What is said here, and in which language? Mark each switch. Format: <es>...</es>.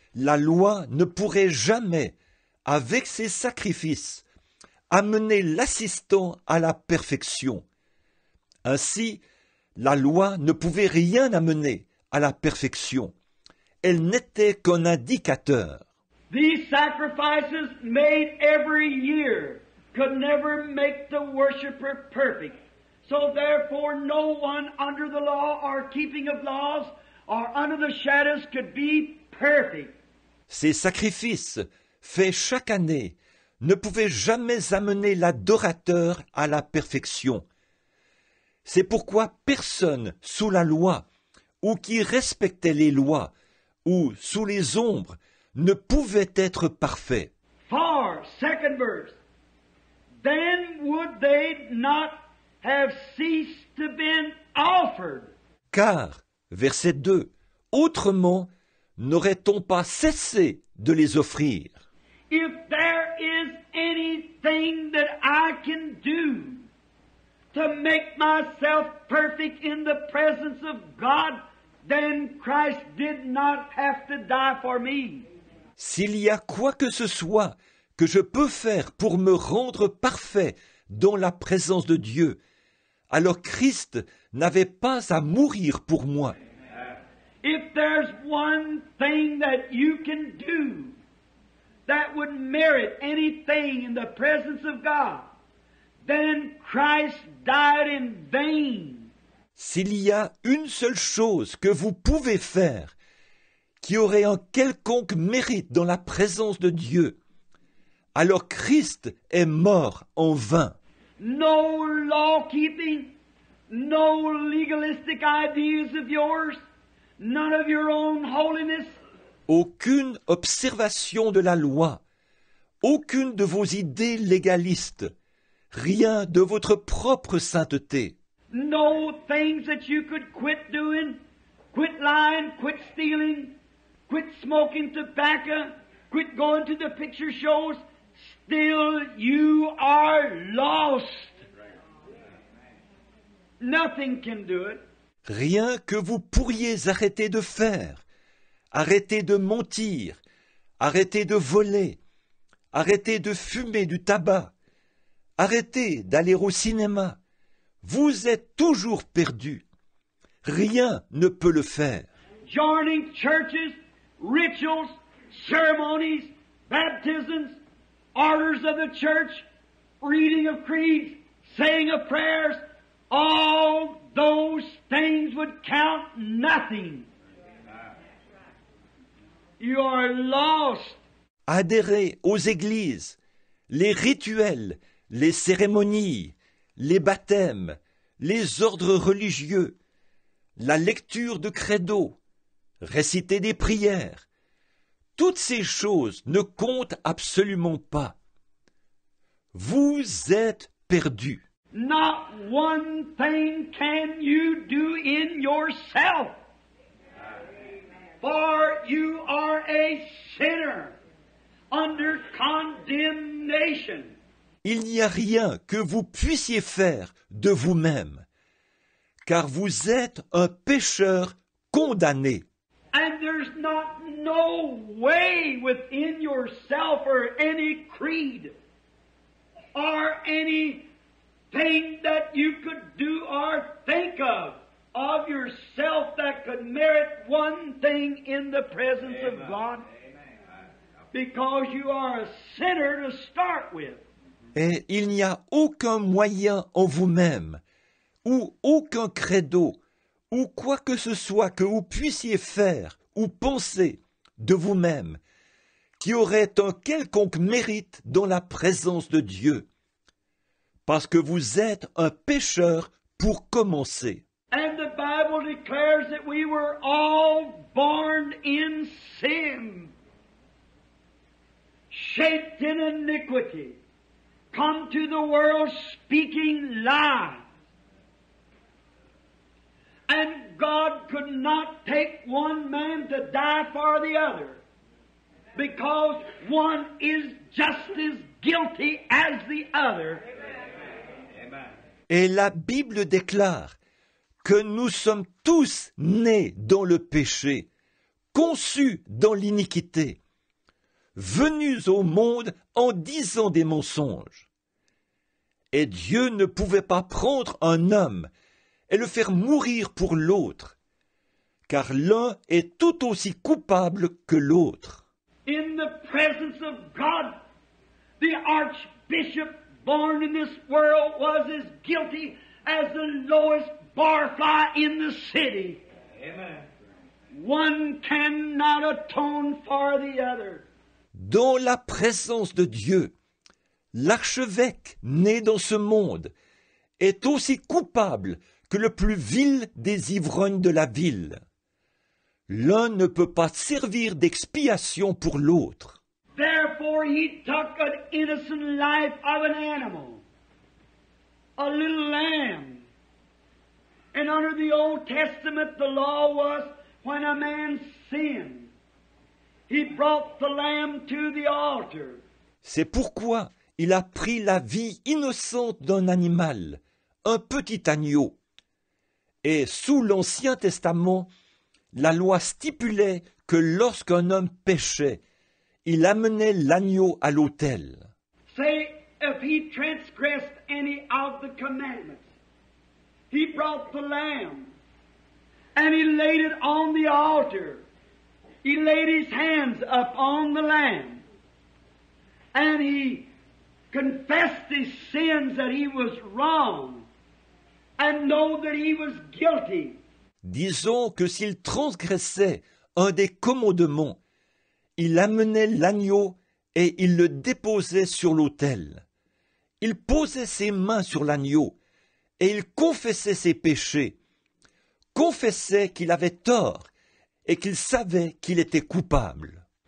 <fr>la loi ne pourrait jamais, avec ses sacrifices, amener l'assistant à la perfection. Ainsi, la loi ne pouvait rien amener à la perfection. Elle n'était qu'un indicateur.</fr> <en>These sacrifices made every year could never make the worshipper perfect. So therefore, no one under the law or keeping of laws or under the shadows could be perfect.</en> <fr>Ces sacrifices faits chaque année ne pouvaient jamais amener l'adorateur à la perfection. C'est pourquoi personne sous la loi ou qui respectait les lois ou sous les ombres ne pouvait être parfait.</fr> <en>For, second verse, then would they not have ceased to be offered.</en> <fr>Car, verset 2, autrement n'aurait-on pas cessé de les offrir.</fr> <en>If there is anything that I can do to make myself perfect in the presence of God, then Christ did not have to die for me.</en> <fr>S'il y a quoi que ce soit que je peux faire pour me rendre parfait dans la présence de Dieu, alors Christ n'avait pas à mourir pour moi.</fr> <en>If there's one thing that you can do that would merit anything in the presence of God, then Christ died in vain.</en> <fr>S'il y a une seule chose que vous pouvez faire qui aurait un quelconque mérite dans la présence de Dieu, alors Christ est mort en vain.</fr> <en>No law-keeping, no legalistic ideas of yours, none of your own holiness.</en> <fr>Aucune observation de la loi, aucune de vos idées légalistes, rien de votre propre sainteté.</fr> <en>No things that you could quit doing, quit lying, quit stealing, quit smoking tobacco, quit going to the picture shows, still you are lost. Nothing can do it.</en> <fr>Rien que vous pourriez arrêter de faire, arrêter de mentir, arrêter de voler, arrêter de fumer du tabac, arrêter d'aller au cinéma, vous êtes toujours perdu. Rien ne peut le faire.</fr> <en>Joining churches, rituals, ceremonies, baptisms, orders of the church, reading of creeds, saying of prayers, all those things would count nothing. You are lost.</en> <fr>Adhérer aux églises, les rituels, les cérémonies, les baptêmes, les ordres religieux, la lecture de credo, réciter des prières, toutes ces choses ne comptent absolument pas. Vous êtes perdu.</fr> <en>Not one thing can you do in yourself. For you are a sinner under condemnation.</en> <fr>Il n'y a rien que vous puissiez faire de vous-même, car vous êtes un pécheur condamné.</fr> <en>And there's not no way within yourself or any creed or anything that you could do or think of yourself that could merit one thing in the presence Amen. Of God because you are a sinner to start with.</en> <fr>Et il n'y a aucun moyen en vous-même ou aucun credo ou quoi que ce soit que vous puissiez faire ou penser de vous-même, qui aurait un quelconque mérite dans la présence de Dieu, parce que vous êtes un pécheur pour commencer.</fr> <en>And the Bible declares that we were all born in sin, shaped in iniquity, come to the world speaking lies. And God could not take one man to die for the other because one is just as guilty as the other.</en> <fr>Et la Bible déclare que nous sommes tous nés dans le péché, conçus dans l'iniquité, venus au monde en disant des mensonges. Et Dieu ne pouvait pas prendre un homme et le faire mourir pour l'autre, car l'un est tout aussi coupable que l'autre.</fr> <en>In the presence of God, the archbishop born in this world was as guilty as the lowest barfly in the city. Amen. One cannot atone for the other.</en> <fr>Dans la présence de Dieu, l'archevêque né dans ce monde est aussi coupable que le plus vil des ivrognes de la ville. L'un ne peut pas servir d'expiation pour l'autre.</fr> <en>Therefore he took an innocent life of an animal, a little lamb. And under the Old Testament the law was when a man sinned, he brought the lamb to the altar.</en> <fr>C'est pourquoi il a pris la vie innocente d'un animal, un petit agneau. Et sous l'Ancien Testament, la loi stipulait que lorsqu'un homme péchait, il amenait l'agneau à l'autel.</fr> <en>Say, if he transgressed any of the commandments, he brought the lamb, and he laid it on the altar. He laid his hands up on the lamb, and he confessed his sins that he was wrong, and know that he was guilty.</en> <fr>Disons que s'il transgressait un des commandements, il amenait l'agneau et il le déposait sur l'autel. Il posait ses mains sur l'agneau et il confessait ses péchés, confessait qu'il avait tort et qu'il savait qu'il était coupable.</fr>